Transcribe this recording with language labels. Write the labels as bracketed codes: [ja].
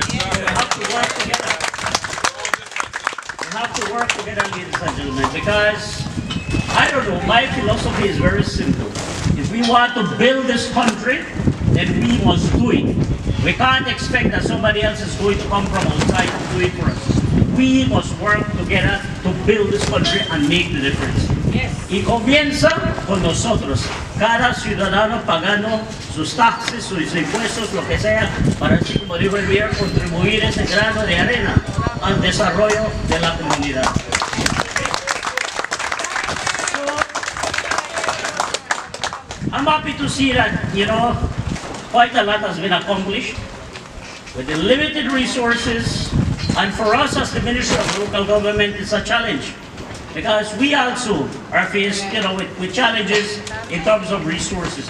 [en] We have to work together. We have to work together, ladies and gentlemen, because I don't know, my philosophy is very simple. If we want to build this country, then we must do it. We can't expect that somebody else is going to come from outside to do it for us. We must work together to build this country and make the difference. Yes. [es] Y comienza con nosotros. Cada ciudadano pagando sus taxes, sus impuestos, lo que sea, para así, como dijo el viejo, contribuir ese grano de arena al desarrollo de la comunidad. [en] So, I'm happy to see that, you know, quite a lot has been accomplished with the limited resources. And for us as the Ministry of Local Government, it's a challenge. Because we also are faced, you know, with challenges in terms of resources.